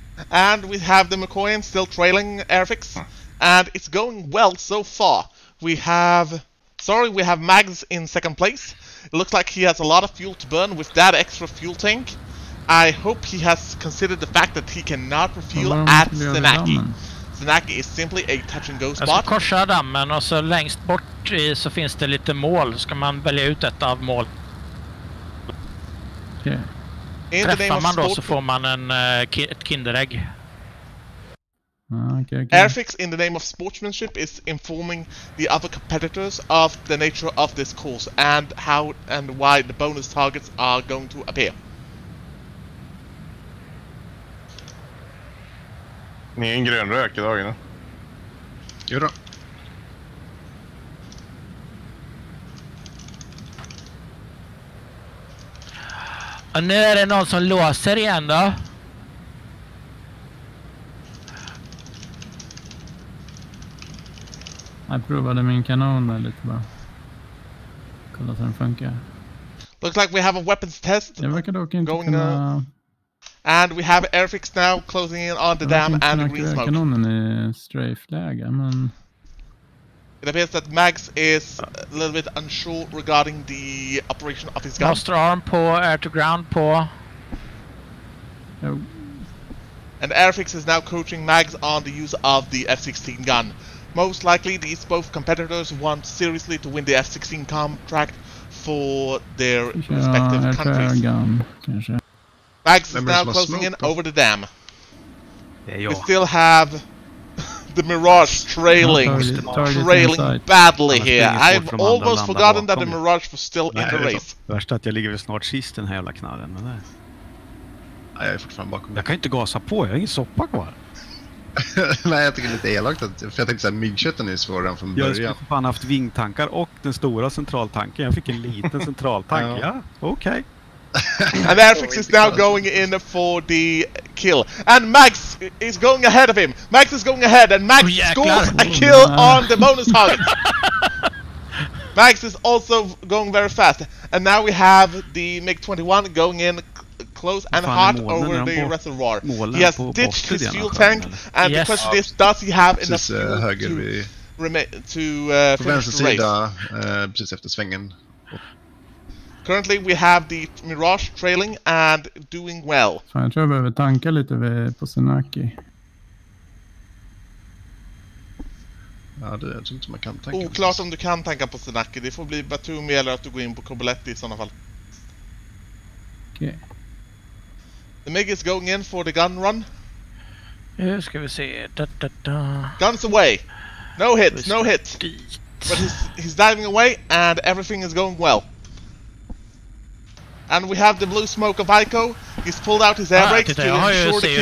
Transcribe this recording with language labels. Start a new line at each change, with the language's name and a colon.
English: And we have the Mikoyan still trailing Airfix, and it's going well so far. We have... Sorry, we have Mags in second place. It looks like he has a lot of fuel to burn with that extra fuel tank. I hope he has considered the fact that he cannot refuel at Zanaki. Zanaki is simply a touch-and-go spot.
Swedish: Jag ska korsa dammen och så längst bort så finns det lite mål. Ska man välja ut ett av mål?
English: Okay.
Swedish: Träffar man då så får man en ett kinderägg.
English: Okay, okay. Airfix, in the name of sportsmanship, is informing the other competitors of the nature of this course and how and why the bonus targets are going to appear.
Swedish: Ni är en grön rök idag, nu. Jo då. Och nu är det någon som låser igen då. Jag provade min kanon där lite bara. Kolla så den funkar.
English: Looks like we have a weapons test.
Swedish: Det verkar dock inte going kunna...
English: And we have Airfix now closing in on the dam and the green smoke.
Swedish: Kanonen är strafe-läge, men...
English: It appears that Mags is a little bit unsure regarding the operation of his gun. Master arm på, air to ground på. And Airfix is now coaching Mags on the use of the F-16 gun. Most likely, these both competitors want seriously to win the F-16 contract for their respective countries. Gun, Max is now closing in over the dam. Yeah, we still have the Mirage trailing, trailing badly here. I've almost forgotten that the Mirage was still in the race.
Swedish: Värst att jag ligger snart sist den här jävla knallen. Jag är fortfarande bakom. Jag kan inte gasa på, jag har ingen soppa kvar. Nej, jag tycker det är lite elakt, att, för jag tänkte såhär, myggköten är svårare än från början. Jag skulle för fan haft vingtankar och den stora centraltanken. Jag fick en liten centraltank, ja, okej.
English: And Airfix is now going in for the kill. And Max is going ahead of him. Max is going ahead and Max scores a kill on the bonus target. Max is also going very fast. And now we have the MiG-21 going in close and hot over the reservoir. He has ditched his fuel tank and the question is, does he have enough fuel to finish the race?
Swedish: Precis efter svängen.
English: Currently we have the Mirage trailing and doing well.
Swedish: Fan, jag tror jag behöver tanka lite på Zanaki. Ja, det är inte man kan tanka. Oklart om du kan tanka på Zanaki. Det får bli Batumi eller att du går in på Cobaletti i sådana fall. Okej. Okay.
English: The MiG is going in for the gun run.
Swedish: Nu ska vi se. Da, da, da.
English: Guns away. No hit, no hit. But he's diving away and everything is going well. And we have the blue smoke of Ico. He's pulled out his air brakes to ensure the kill.